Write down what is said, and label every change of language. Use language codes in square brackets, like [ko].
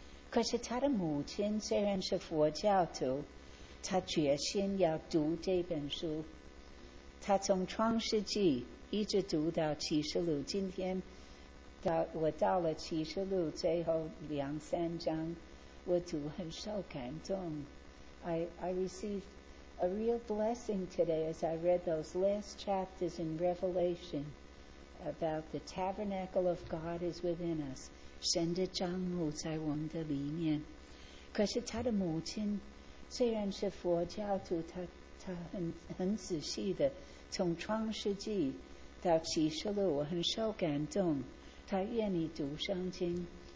[zh] 可是他的母亲虽然是佛教徒，他决心要读这本书。他从创世纪一直读到启示录，今天我到了启示录最后两三章，我读很受感动。 [en] I receiveda real blessing today as I read those last chapters in Revelation about the tabernacle of God is within us. [zh] 神的帐幕在我们的里面。可是他的母亲虽然是佛教徒，他 很仔细的从创世纪到启示录，我很受感动，他愿意读圣经。